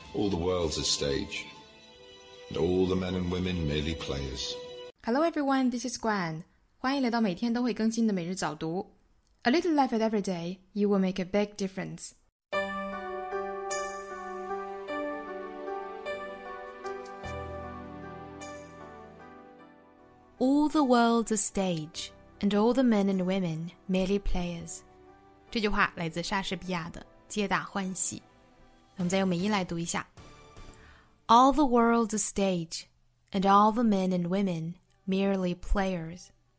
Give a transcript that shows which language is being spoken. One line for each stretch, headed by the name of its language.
English: All the world's a stage, and all the men and women merely players. Hello everyone, this is Gwen.
Chinese: 欢迎来到每天都会更新的每日早读。
English: A little life at every day, you will make a big difference. All the world's a stage, and all the men and women merely players.
Chinese: 这句话来自莎士比亚的《皆大欢喜》。我们再用美音来读一下。
English: All the world's a stage, and all the men and women merely players.